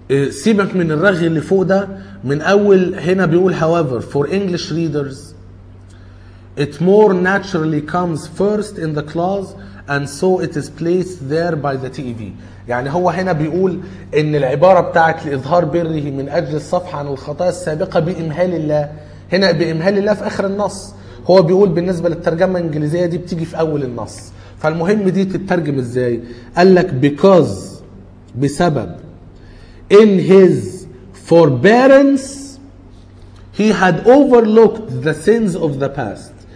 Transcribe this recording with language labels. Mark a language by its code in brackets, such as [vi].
[ar] سيبك من الرغي اللي فوق ده من اول هنا بيقول [en] however for English readers it more naturally comes first in the clause and so it is placed there by the TEV. [ar] يعني هو هنا بيقول ان العبارة بتاعت لإظهار بره من اجل الصفحة عن الخطايا السابقة بإمهال الله هنا بإمهال الله في اخر النص. هو بيقول بالنسبة للترجمة الانجليزية دي بتيجي في اول النص. فالمهم دي تترجم ازاي؟ قالك [en] because [ar] بسبب [en] in his forbearance he had overlooked the sins of the past.